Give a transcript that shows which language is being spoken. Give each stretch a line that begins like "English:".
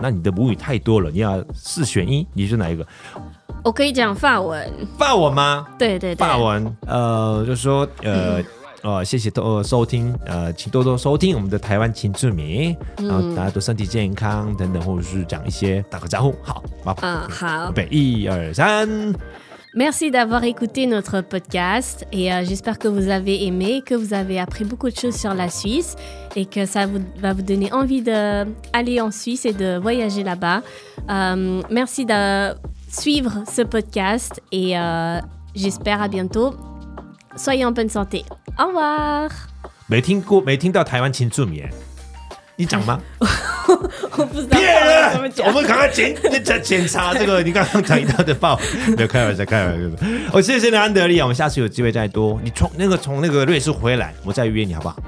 Chinese: 那你的母语太多了，你要四选一，你是哪一个？我可以讲法文。法文吗？对对对，法文。就说谢谢收听，请多多收听我们的台湾青春民，然后大家都身体健康等等，或者是讲一些打个招呼。好，麻烦。嗯，好。预备，一二三。
French: Merci d'avoir écouté notre podcast et j'espère que vous avez aimé, que vous avez appris beaucoup de choses sur la Suisse et que ça vous, va vous donner envie d'aller en Suisse et de voyager là-bas. Merci de suivre ce podcast et j'espère à bientôt. Soyez en bonne santé. Au revoir.
Chinese: 没听到台湾青春民耶，你讲吗？我不知道骗人，我们赶快检查这个你刚刚讲到的报，没有开玩笑，开玩笑。我谢谢你安德烈，我们下次有机会再多。你从那个瑞士回来，我再约你好不好？